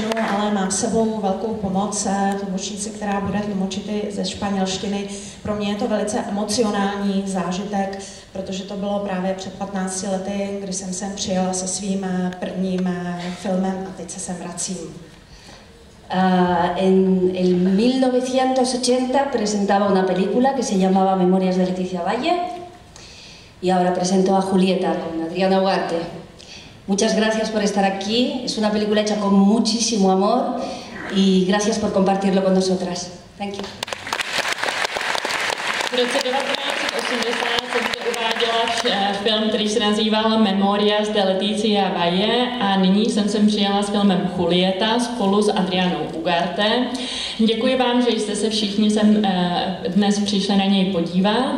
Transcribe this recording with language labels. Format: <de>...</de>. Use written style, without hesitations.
<cs>Ale mám s sebou velkou pomoc, tlumočnici, která bude tlumočit ze španělštiny. Pro mě je to velice emocionální zážitek, protože to bylo právě před 15 lety, kdy jsem sem přijela se svým prvním filmem a teď se sem vracím.</cs> <es>En el 1980 presentaba una película que se llamaba Memorias de Leticia Valle y ahora presento a Julieta con Adriana Ugarte. Muchas gracias por estar aquí. Es una película hecha con muchísimo amor y gracias por compartirlo con nosotras.</es> <en>Thank you.</en> <cs>V roce 1980 jsem se uváděla film, který se nazýval Memorias de Leticia Valle a nyní jsem sem přijela s filmem Julieta spolu s Adrianou Ugarte. Děkuji vám, že jste se všichni sem dnes přišli na něj podívat.</cs>